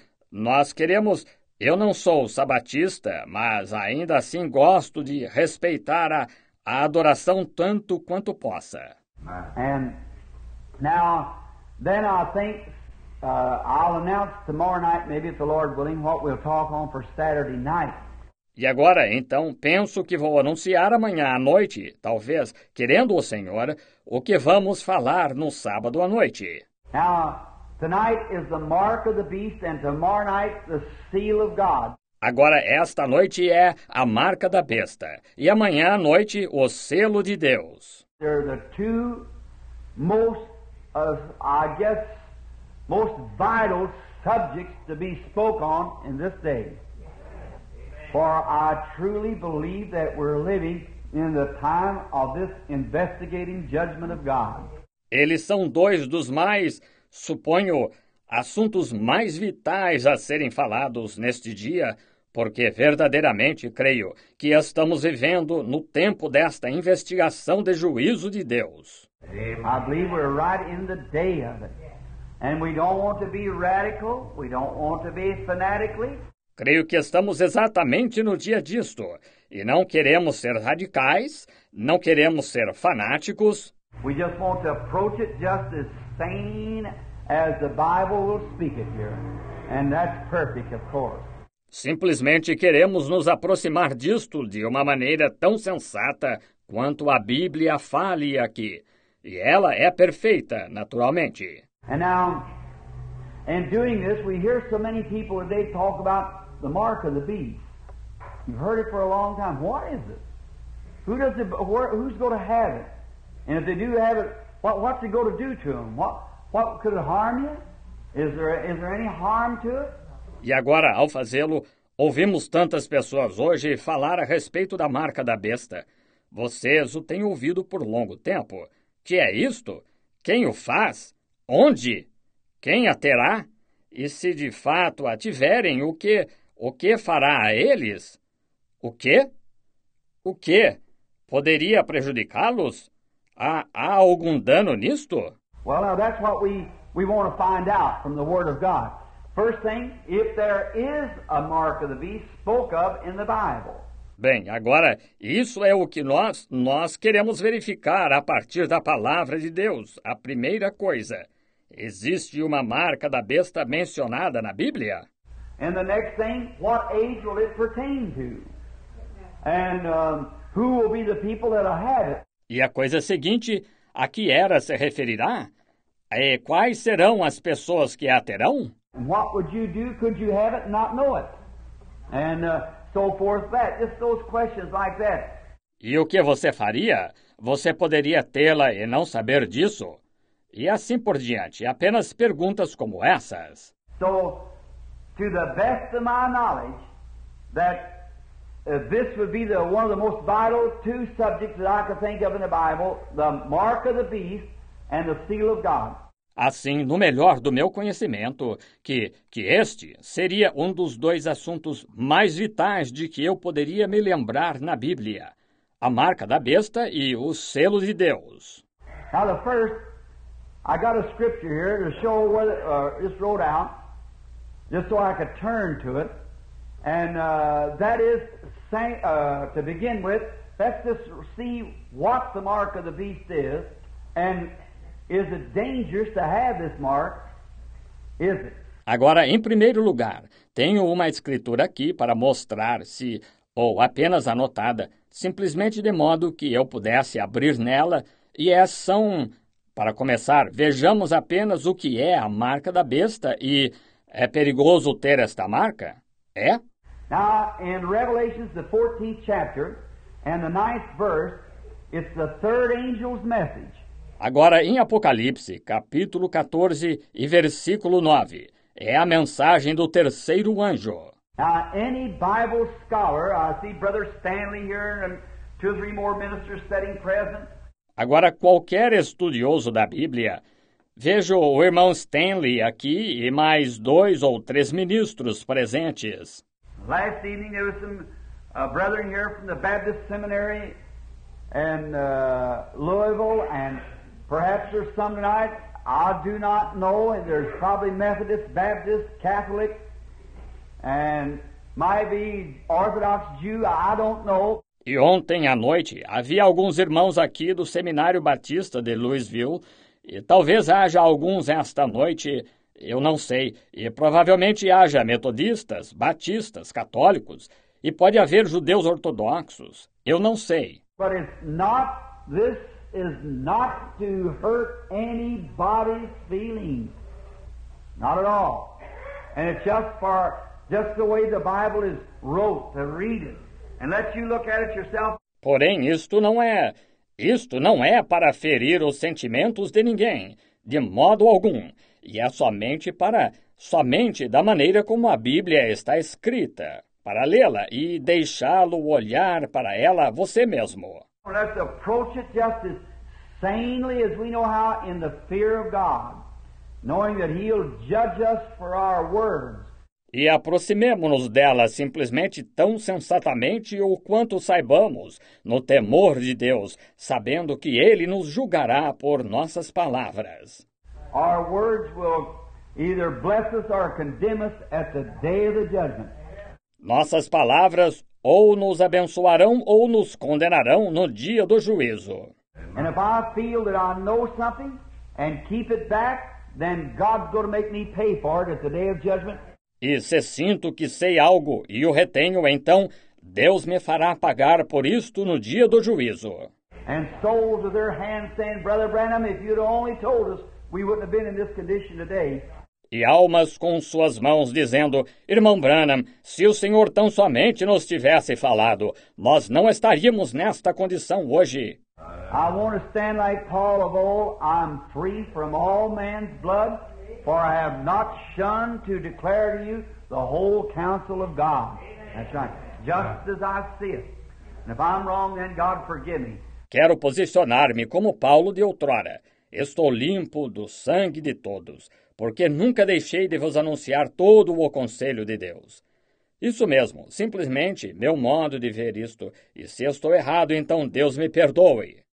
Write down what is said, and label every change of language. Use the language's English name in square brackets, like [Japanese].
[Portuguese] Nós queremos, eu não sou sabatista, mas ainda assim gosto de respeitar a adoração tanto quanto possa. [English] And now, then I think I'll announce tomorrow night, maybe if the Lord willing, what we'll talk on for Saturday night. [Portuguese] E agora, então, penso que vou anunciar amanhã à noite, talvez, querendo o Senhor, o que vamos falar no sábado à noite. [English] Now, tonight is the mark of the beast, and tomorrow night the seal of God. [Portuguese] Agora, esta noite é a marca da besta, e amanhã à noite, o selo de Deus. [English] They're the two most, I guess, most vital subjects to be spoken on in this day. For I truly believe that we're living in the time of this investigating judgment of God. [Portuguese] Eles são dois dos mais, suponho, assuntos mais vitais a serem falados neste dia, porque verdadeiramente creio que estamos vivendo no tempo desta investigação de juízo de Deus. [English] I believe we're right in the day of it. And we don't want to be radical, we don't want to be fanatically. [Portuguese] Creio que estamos exatamente no dia disto, e não queremos ser radicais, não queremos ser fanáticos. [English] We just want to approach it just as sane as the Bible will speak it here. And that's perfect, of course. [Portuguese] Simplesmente queremos nos aproximar disto de uma maneira tão sensata quanto a Bíblia fale aqui. E ela é perfeita, naturalmente. [English] And now, in doing this, we hear so many people today talk about the mark of the beast. You've heard it for a long time. What is it? Who's going to have it? And if they do have it, what's it going to do to them? What could it harm you? Is there any harm to it? [Portuguese] E agora, ao fazê-lo, ouvimos tantas pessoas hoje falar a respeito da marca da besta. Vocês o têm ouvido por longo tempo. Que é isto? Quem o faz? Onde? Quem a terá? E se de fato a tiverem, o que fará a eles? O quê? O quê? Poderia prejudicá-los? Há algum dano nisto? [English] Well, now that's what we want to find out from the Word of God. First thing, if there is a mark of the beast spoke of in the Bible. [Portuguese] Bem, agora, isso é o que nós queremos verificar a partir da palavra de Deus. A primeira coisa, existe uma marca da besta mencionada na Bíblia? [English] And the next thing, what age will it pertain to? And who will be the people that will have it? [Portuguese] E a coisa seguinte, a que era se referirá? É, quais serão as pessoas que a terão? [English] And what would you do? Could you have it and not know it? And so forth, that. Just those questions like that. [Portuguese] E o que você faria? Você poderia tê-la e não saber disso? E assim por diante, apenas perguntas como essas. [English] So, to the best of my knowledge, that this would be the one of the most vital two subjects that I could think of in the Bible, the mark of the beast and the seal of God. [Portuguese] Assim, no melhor do meu conhecimento, que este seria um dos dois assuntos mais vitais de que eu poderia me lembrar na Bíblia, a marca da besta e o selo de Deus. [English] Now, the first, I got a scripture here to show what it's wrote out, just so I could turn to it, and that is, to begin with, let's just see what the mark of the beast is, and is it dangerous to have this mark? Is it? [Portuguese] Agora, em primeiro lugar, tenho uma escritura aqui para mostrar se, ou apenas anotada, simplesmente de modo que eu pudesse abrir nela, e é são, para começar, vejamos apenas o que é a marca da besta, e é perigoso ter esta marca? É? [English] Now, in Revelation, the 14th chapter, and the 9th verse, it's the third angel's message. [Portuguese] Agora, em Apocalipse, capítulo 14 e versículo 9, é a mensagem do terceiro anjo. [English] Now, any Bible scholar, I see Brother Stanley here and two or three more ministers sitting present. [Portuguese] Agora, qualquer estudioso da Bíblia, vejo o irmão Stanley aqui e mais dois ou três ministros presentes. [English] Last evening, there was some brethren here from the Baptist Seminary in Louisville and perhaps there's some tonight, I do not know, and there's probably Methodist, Baptist, Catholic, and maybe Orthodox Jew, I don't know. [Portuguese] E ontem à noite, havia alguns irmãos aqui do Seminário Batista de Louisville, e talvez haja alguns esta noite, eu não sei, e provavelmente haja metodistas, batistas, católicos, e pode haver judeus ortodoxos, eu não sei. [English] But it's not this. Is not to hurt anybody's feelings. Not at all. And it's just for just the way the Bible is wrote, to read it, and let you look at it yourself. [Portuguese] Porém, isto não é para ferir os sentimentos de ninguém, de modo algum, e é somente da maneira como a Bíblia está escrita, para lê-la e deixá-lo olhar para ela você mesmo. [English] Let's approach it just as sanely as we know how in the fear of God, knowing that He'll judge us for our words. [Portuguese] E aproximemo-nos dela simplesmente tão sensatamente o quanto saibamos, no temor de Deus, sabendo que Ele nos julgará por nossas palavras. [English] Our words will either bless us or condemn us at the day of the judgment. [Portuguese] Nossas palavras ou nos abençoarão ou nos condenarão no dia do juízo. [English] And if I feel that I know something and keep it back, then God's going to make me pay for it at the day of judgment. [Portuguese] E se sinto que sei algo e o retenho, então Deus me fará pagar por isto no dia do juízo. [English] And souls with their hands saying, Brother Branham, if you'd only told us, we wouldn't have been in this condition today. [Portuguese] E almas com suas mãos dizendo, Irmão Branham, se o Senhor tão somente nos tivesse falado, nós não estaríamos nesta condição hoje. [English] I want to stand like Paul of old, I'm free from all man's blood, for I have not shunned to declare to you the whole counsel of God. That's right. Just as I see it. And if I'm wrong, then God forgive me. [Portuguese] Quero posicionar-me como Paulo de outrora. Estou limpo do sangue de todos, porque nunca deixei de vos anunciar todo o conselho de Deus. Isso mesmo, simplesmente meu modo de ver isto. E se estou errado, então Deus me perdoe.